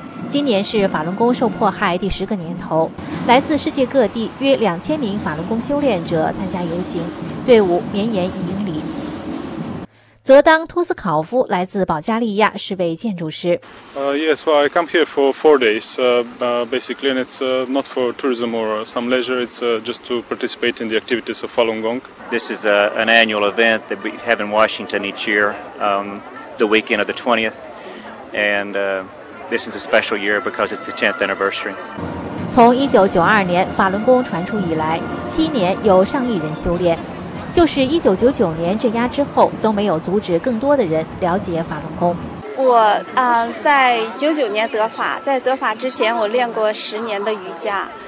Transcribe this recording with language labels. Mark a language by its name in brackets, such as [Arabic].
[Chinese] 今年是法轮功受迫害第10个年头，来自世界各地约2000名法轮功修炼者参加游行，队伍绵延1英里。泽当·托斯考夫来自保加利亚，是位建筑师。 [English] I come here for 4 days. Basically, and it's not for tourism or some leisure. It's just to participate in the activities of Falun Gong. This is an annual event that we have in Washington each year, the weekend of the 20th, and this is a special year because it's the 10th anniversary. [Chinese] 从1992年法轮功传出以来，7年有上亿人修炼，就是1999年镇压之后，都没有阻止更多的人了解法轮功。我在99年得法，在得法之前我练过10年的瑜伽。